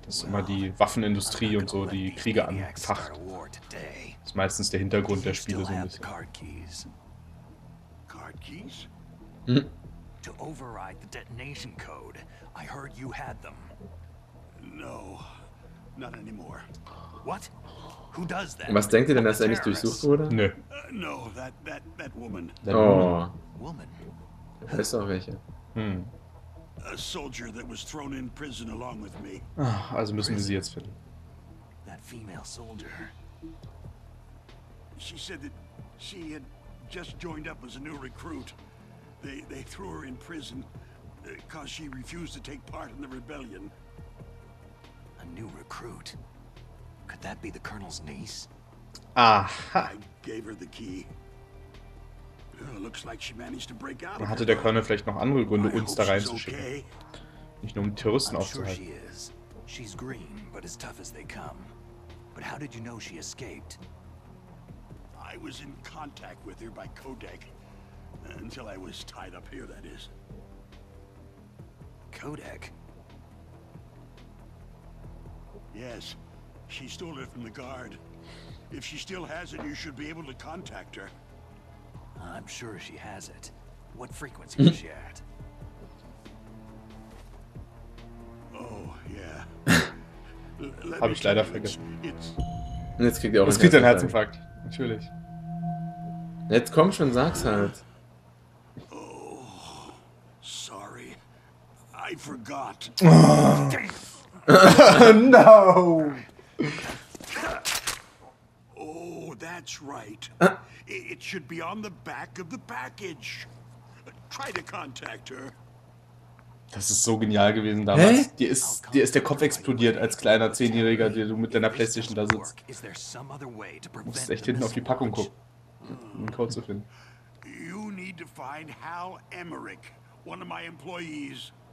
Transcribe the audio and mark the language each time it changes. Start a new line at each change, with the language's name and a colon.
German: Das ist immer die Waffenindustrie und so, die Kriege anfacht. Das ist meistens der Hintergrund der Spiele so ein bisschen.
English: Card keys? Card keys? To override the detonation code, I heard you had them. No, not anymore. What? Who does that?
German: Was denkt ihr denn, dass er nicht durchsucht wurde? Nö. No,
English: that woman. Oh. Woman.
German: Da ist doch welche.
English: A soldier that was thrown in prison along with me.
German: Also müssen wir sie jetzt finden.
English: That female soldier. She said that she had just joined up as a new recruit. They threw her in prison because she refused to take part in the rebellion. A new recruit? Could that be the colonel's niece? Aha. I gave her the key. Looks like she managed to break out.
German: Dann hatte der Colonel vielleicht noch andere Gründe, uns da reinzuschicken. Nicht nur um Terroristen aufzuhalten.
English: Sure she is. She's green, but as tough as they come. But how did you know she escaped? I was in contact with her by codec. Until I was tied up here, that is. Codec? Yes. She stole it from the guard. If she still has it, you should be able to contact her. I'm sure she has it. What frequency is she at?
German: Oh, yeah. Habe ich leider vergessen. Und jetzt kriegt ihr auch einen Herzinfarkt. Natürlich. Jetzt komm schon, sag's halt.
English: Oh, sorry. I forgot. No! Oh, that's right. It should be on the back of the package. Try to contact her.
German: Das ist so genial gewesen damals. Dir ist der Kopf explodiert als kleiner 10-Jähriger, der du mit deiner PlayStation da sitzt. Du musst echt hinten auf die Packung gucken, um einen Code zu finden.
English: You need to find Hal Emmerich, one of my employees.